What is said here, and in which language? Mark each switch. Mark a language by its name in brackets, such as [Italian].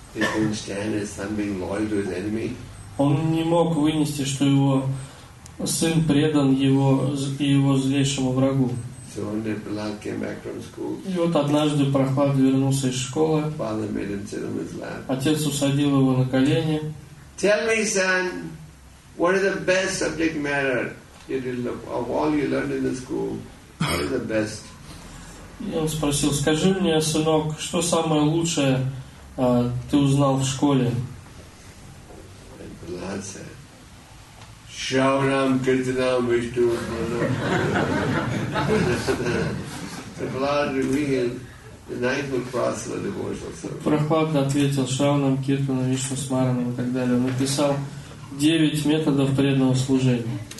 [English] He couldn't stand his son being loyal to his enemy. [Russian] Он не мог вынести, что его сын предан его злейшему врагу. [English] So one day Prahlad came back from school. [Russian] И вот однажды Прохлад вернулся из школы. [English] Father made him sit on his lap. [Russian] Отец усадил его на колени. [English] Tell me, son, what is the best subject matter? Of all you learned in the school, what is the best? [Russian] И он спросил: «Скажи мне, сынок, что самое лучшее ты узнал в школе?» [English] And Prahlad said, Shravanam, Kirtanam, Vishnu, Pranam. Prahlad revealed the ninefold process of devotional service. [Russian] Прохлад ответил: Шравнам, Киртанам, Вишну, Смаранам и так далее. Он написал 9 методов преданного служения.